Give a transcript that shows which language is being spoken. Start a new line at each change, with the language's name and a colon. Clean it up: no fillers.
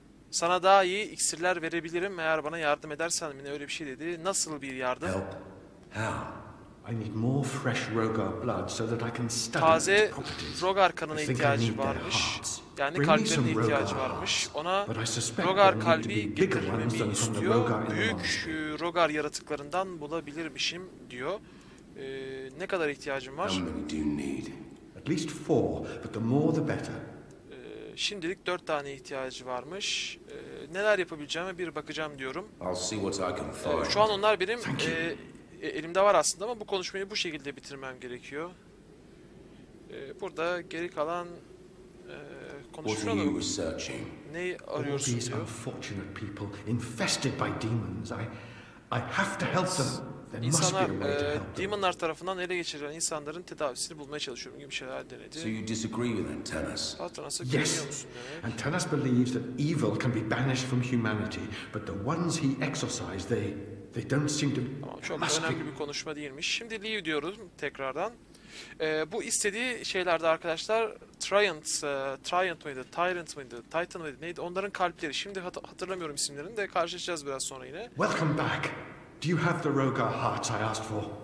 Turkish: Sana daha iyi iksirler verebilirim eğer bana yardım edersen mi ne öyle bir şey dedi. Nasıl bir yardım?
English: I need more fresh Rogar blood so that I can study its properties.
Turkish: Taze Rogar kanına ihtiyacı varmış. Yani kalplerine ihtiyacı varmış. Ona Rogar kalbi getirmemi istiyor. Büyük Rogar yaratıklarından bulabilirmişim diyor. Ne kadar ihtiyacım var?
English: At least four, but the more the better.
Turkish: Şimdilik 4 tane ihtiyacı varmış. Neler yapabileceğime bir bakacağım diyorum. Şu an onlar benim elimde var aslında ama bu konuşmayı bu şekilde bitirmem gerekiyor. Burada geri kalan konuşmayalım. Neyi arıyorsunuz?
English: These unfortunate people infested by demons. I have to help them.
Turkish: İnsanlar, demonlar tarafından ele geçirilen insanların tedavisini bulmaya çalışıyorum gibi şeyler denedi.
English: So you disagree with Antanas?
Turkish: Patronus'a kıyıyor musun demek?
English: Antanas believes that evil can be banished from humanity, but the ones he exorcised, they don't seem to.
Turkish: Çok önemli bir konuşma değilmiş. Şimdi Liu diyorum tekrardan. Bu istediği şeylerde arkadaşlar, Tyrant mıydı, Titan mıydı, neydi? Onların kalpleri. Şimdi hatırlamıyorum isimlerini de karşılaşacağız biraz sonra yine.
English: Welcome back. Do you have the Rogar hearts I asked for?